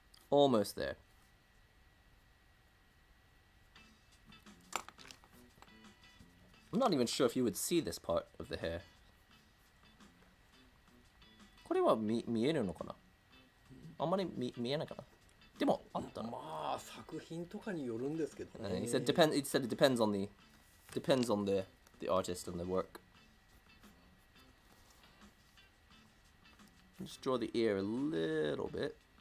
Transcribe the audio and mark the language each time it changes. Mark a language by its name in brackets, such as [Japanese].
[English] Almost there. I'm not even sure if you would see this part of the hair. [Japanese] これは見えるのかな? あんまり見えないかな。でもあったな。まあ作品とかによるんですけどね。 [English] He said it depends on the artist and the work. Just draw the ear a little bit.